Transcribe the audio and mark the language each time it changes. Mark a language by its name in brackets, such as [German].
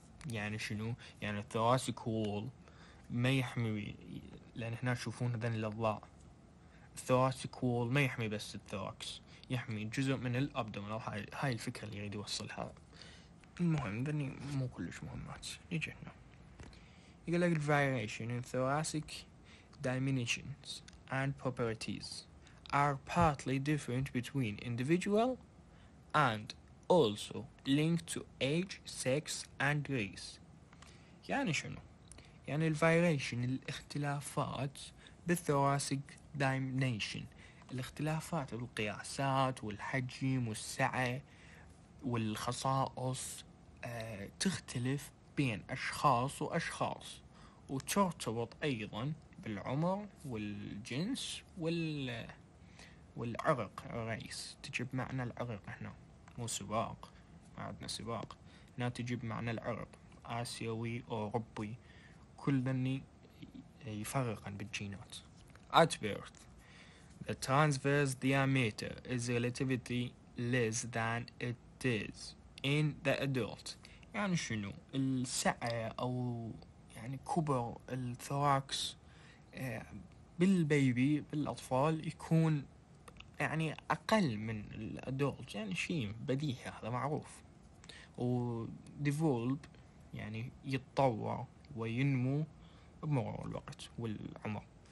[Arabic] يعني شنو؟ يعني الثوراسيك وول ما يحمي، لان احنا تشوفون هذين الاضلاع، الثوراسيك وول ما يحمي بس الثوراكس، يحمي جزء من الابدومن. هاي الفكرة اللي يريد يوصلها. المهم ذني مو كلش مهمات. يجي هنا يقول لك [English] variation in thoracic diminutions and properties are partly different between individual and also linked to age, sex and race. [Arabic] يعني شنو؟ يعني variation الاختلافات بالthoracic diminution، الاختلافات بالقياسات والحجم والسعة والخصائص تختلف بين أشخاص وأشخاص، وترتبط أيضا بالعمر والجنس والعرق الرئيس. تجيب معنى العرق هنا، مو سباق، ما عندنا سباق، هنا تجيب معنى العرق، آسيوي أوروبي، كل ذني يفرقا بالجينات. [English] At birth the transverse diameter is relatively less than it is in the adult. [Arabic] يعني شنو؟ السعة أو يعني كبر الثوراكس بالبيبي بالأطفال يكون يعني أقل من الأدولت، يعني شيء بديهي هذا معروف. وديفولب يعني يتطور وينمو بمرور الوقت والعمر.